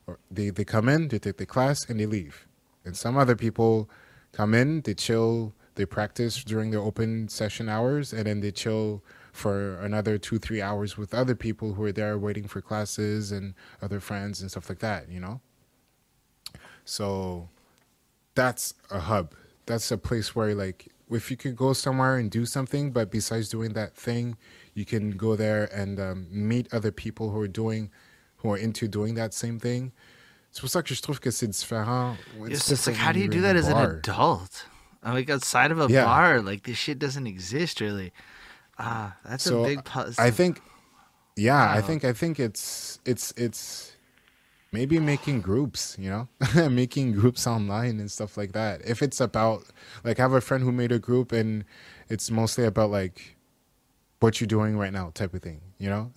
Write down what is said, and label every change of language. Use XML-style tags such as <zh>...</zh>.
<en>They come in, they take the class, and they leave. And some other people come in, they chill, they practice during their open session hours, and then they chill for another 2-3 hours with other people who are there waiting for classes and other friends and stuff like that, you know? So that's a hub. That's a place where, like, if you could go somewhere and do something, but besides doing that thing, you can go there and meet other people who are doing... more into doing that same thing.</en> <fr>C'est pour ça que je trouve que c'est différent.</fr> <en>It's like, how do you do that as an adult? I mean, outside of a bar, like, this shit doesn't exist, really. That's a big puzzle. I think it's maybe making groups, you know? Making groups online and stuff like that. If it's about, like, I have a friend who made a group and it's mostly about, like, what you're doing right now type of thing, you know?</en>